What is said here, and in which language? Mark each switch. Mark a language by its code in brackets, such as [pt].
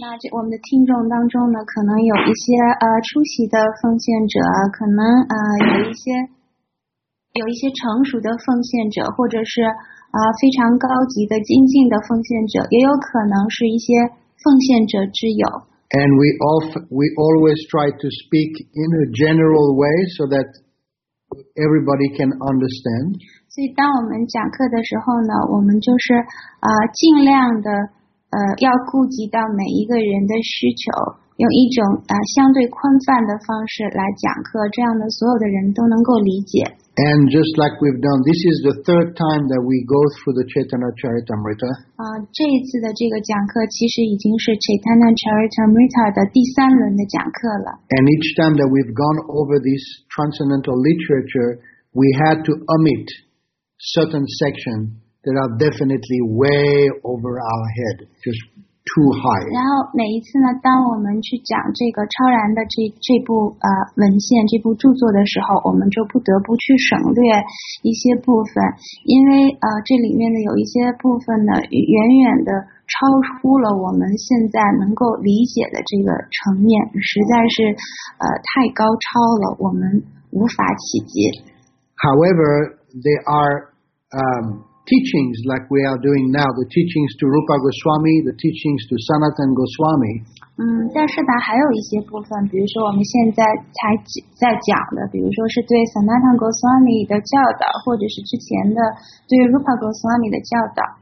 [zh] 那我们的听众当中呢，可能有一些初期的奉献者，可能有一些成熟的奉献者，或者是非常高级的精进的奉献者，也有可能是一些奉献者之友。 [en] And we always try to speak in a general way so that everybody can understand. [zh] 所以当我们讲课的时候呢我们就是尽量的要顾及到每一个人的需求用一种相对宽泛的方式来讲课这样的所有的人都能够理解。 [en] And just like we've done, this is the third time that we go through the Chaitanya Charitamrita. [zh] 这一次的这个讲课其实已经是 Chaitanya Charitamrita 的第三轮的讲课了。 [en] And each time that we've gone over this transcendental literature, we had to omit certain section that are definitely way over our head, just too high. [zh] 然后每一次呢，当我们去讲这个超然的这部文献、这部著作的时候，我们就不得不去省略一些部分，因为这里面的有一些部分呢，远远的超出了我们现在能够理解的这个层面，实在是太高超了，我们无法企及。 [en] However, there are teachings like we are doing now, the teachings to Rupa Goswami, the teachings to Sanatan Goswami. [zh] 但是呢，还有一些部分，比如说我们现在在讲的，比如说是对 Sanatan Goswami 的教导，或者是之前的对 Rupa Goswami 的教导。